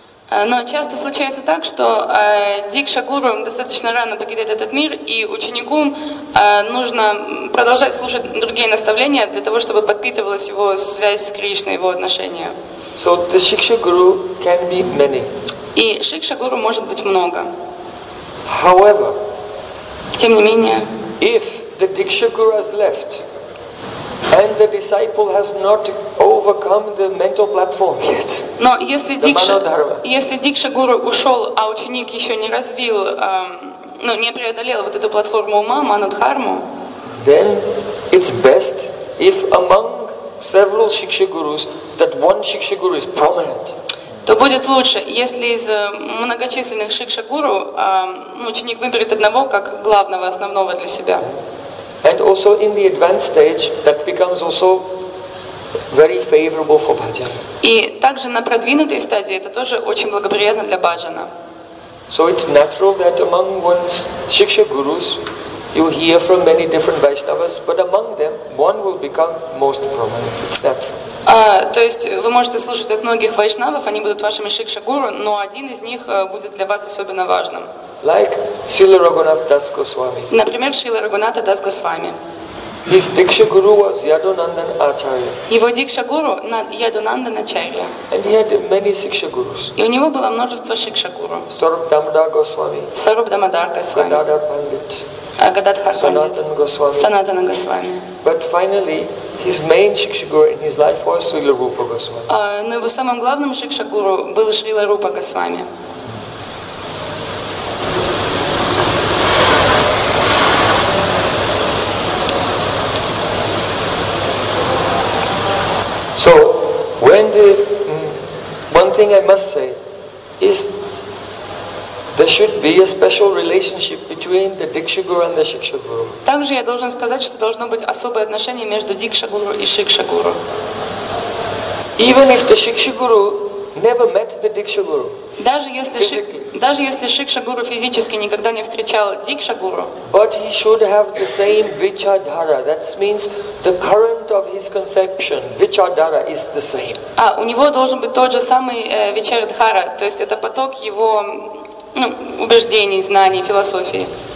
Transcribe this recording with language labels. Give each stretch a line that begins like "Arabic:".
Russian: Но часто случается так, что дикша-гуру достаточно рано покидает этот мир, и ученику нужно продолжать слушать другие наставления для того, чтобы подпитывалась его связь с Кришной, его отношения.
English: So the shiksha-guru can be many.
Russian: И шикша-гуру может быть много.
English: However,
Russian: тем не менее,
English: if the diksha-guru has left, and the disciple has not overcome the mental platform yet.
Russian: Но если дикша гуру ушел, а ученик еще не развил, не преодолел вот эту платформу ума, манадхарму,
English: then it's best if among several shiksha gurus that one shiksha guru is prominent.
Russian: То будет лучше, если из многочисленных шикша гуру ученик выберет одного как главного, основного для себя.
English: And also in the advanced stage, that becomes also very favorable for bhajan.
Russian: И также на продвинутой стадии это тоже очень благоприятно для бхаджана.
English: So it's natural that among one's shiksha gurus, you hear from many different Vaishnavas, but among them, one will become most prominent. It's natural.
Russian: То есть вы можете слушать от многих вайшнавов, они будут вашими шикша-гуру, но один из них будет для вас особенно важным.
English: Like Srila Raghunath Das Goswami.
Russian: Например, Srila Raghunatha Das Goswami.
English: His diksha-guru was Yadunandan Acharya.
Russian: Его дикша-гуру Yadunandan Acharya.
English: And he had many шикша-гурус.
Russian: И у него было множество шикша-гуру.
English: Sarup Damodar Goswami. Sarup Damodar Goswami. Gadadhar Pandit. Gadadhar Pandit. Sanatana Goswami. Sanatana Goswami. But finally, his main shiksha guru in his life was Srila Rupa Goswami.
Russian: Но его самым главным шикша гуру был Шрила Рупа Госвами.
English: So, when the one thing I must say is there should be a special relationship between the diksha guru and the shiksha guru.
Russian: Также я должен сказать, что должно быть особое отношение между дикша гуру и шикша гуру.
English: Even if the shiksha guru never met the Diksha Guru.
Russian: Даже если Шикша Гуру физически никогда не встречал Дикша Гуру.
English: But he should have the same Vichadhara. That means the current of his conception, Vichadhara, is the same.
Russian: А у него должен быть тот же самый Vichadhara, то есть это поток его убеждений, знаний, философии.